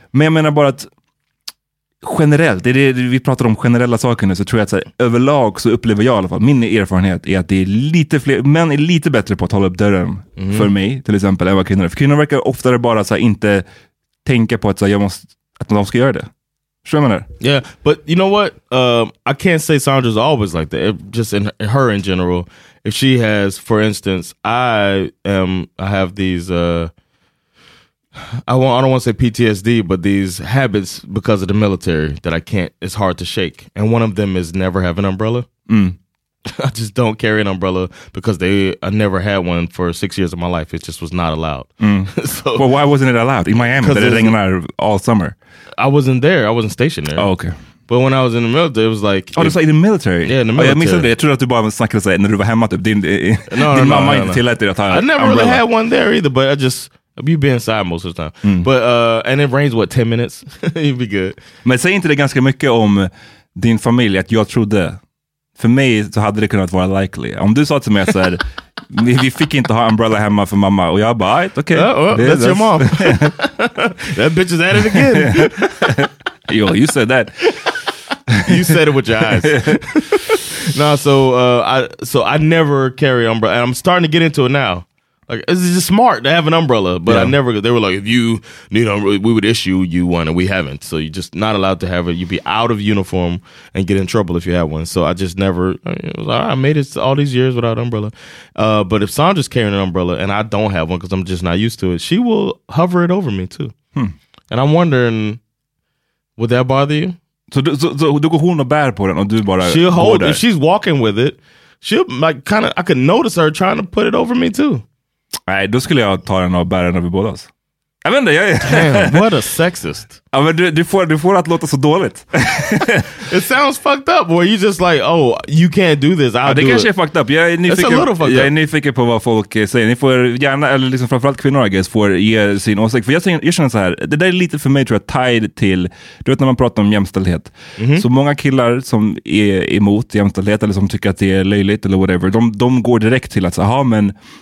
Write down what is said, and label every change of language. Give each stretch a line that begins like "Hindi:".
Swedish: Men jag menar bara att generellt, det är det vi pratar om, generella saker nu, så tror jag att så här, överlag så upplever jag i alla fall, min erfarenhet är att det är lite fler, män är lite bättre på att hålla upp dörren för mig, till exempel, än vad kvinnor är. För kvinnor verkar oftare bara så här, inte tänka på att, så här, jag måste, att de ska göra det.
English: Yeah, but you know what? I can't say Sandra's always like that. It, just in her in general, if she has, for instance, I have these. I don't want to say PTSD, but these habits because of the military that I can't. It's hard to shake, and one of them is never have an umbrella. Mm. I just don't carry an umbrella because I never had one for 6 years of my life. It just was not allowed. Mm. So, well, why wasn't it allowed in Miami? Because it didn't matter all summer. I wasn't there. I wasn't stationed there. Oh, okay. But when I was in the military, it was like... Oh, it's like the military? Yeah, in the military. Oh, yeah, I thought you were just talking about when you were home. No. I never really had one there either, but I just... You'd be inside most of the time. Mm. But, and it rains, what, 10 minutes? You'd be good.
Swedish: Men säg inte det ganska mycket om din familj, att jag trodde... För mig så hade det kunnat vara likely. Om du sa till mig så här, vi fick inte ha umbrella hemma för mamma. Och jag bara,
English: right, okay. That's your mom. That bitch is at it again. Yo, you said that. You said it with your eyes. So I never carry umbrella. And I'm starting to get into it now. Like, it's just smart to have an umbrella. But yeah. I never, they were like, if you need an umbrella, we would issue you one, and we haven't. So you're just not allowed to have it. You'd be out of uniform and get in trouble if you had one. So I just never, I made it all these years without an umbrella. But if Sandra's carrying an umbrella and I don't have one because I'm just not used to it, she will hover it over me too. Hmm. And I'm wondering, would that bother you?
Swedish: So du går hon och bär på den och du bara...
English: She'll hold it. If she's walking with it, she'll like kind of, I could notice her trying to put it over me too.
Swedish: Nej, då skulle jag ta den och bära den över båda oss. Jag vet inte, jag...
English: Damn, what a sexist. Ja, men du får att låta så dåligt. It sounds fucked up, where you just like, oh, you can't do this, I'll do it.
Swedish: Det kanske är
English: fucked up.
Swedish: Jag är nyfiken,
English: it's a little fucked
Swedish: up. Jag är nyfiken på vad folk säger. Ni får gärna, eller liksom framförallt kvinnor,
English: I guess,
Swedish: får ge sin åsikt. För jag känner så här, det där är lite för mig, tror jag, tied till, du vet, när man pratar om jämställdhet. Mm-hmm. Så många killar som är emot jämställdhet, eller som tycker att det är löjligt, eller whatever, de går direkt till att, aha, men...